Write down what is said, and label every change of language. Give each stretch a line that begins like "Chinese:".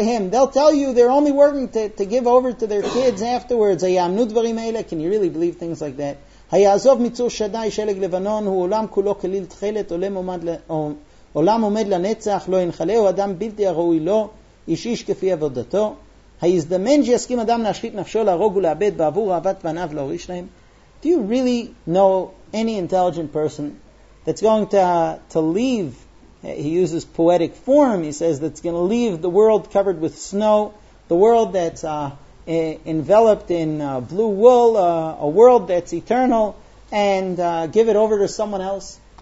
English: They'll tell you they're only working to give over to their kids afterwards. Can you really believe things like that?
Hebrew: היעזוב מיצור שדאי שלג לבנון הוא עולם כולו כליל תחלת עולם עומד לנצח לא ינחלהו אדם בלתי הראוי לו איש איש כפי עבודתו ההזדמן שיסכים אדם להשחית נפשו להרוג ולאבד בעבור אהבת בניו להוריש להם.
English: Do you really know any intelligent person that's going to leave, he uses poetic form, he says that's going to leave the world covered with snow, the world that's enveloped in blue wool, a world that's eternal, and give it over to someone else?